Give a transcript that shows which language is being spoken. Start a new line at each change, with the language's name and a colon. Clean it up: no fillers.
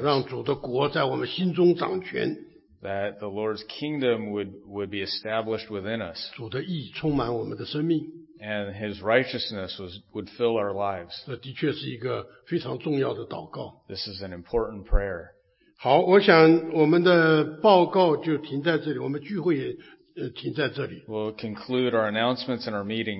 Chinese: 让主的国在我们心中掌权。
English: That the Lord's kingdom would be established within us.
Chinese: 主的义充满我们的生命。
English: And His righteousness would fill our lives.
Chinese: 这的确是一个非常重要的祷告。
English: This is an important prayer.
Chinese: 好，我想我们的报告就停在这里，我们聚会也停在这里。
English: We'll conclude our announcements and our meeting.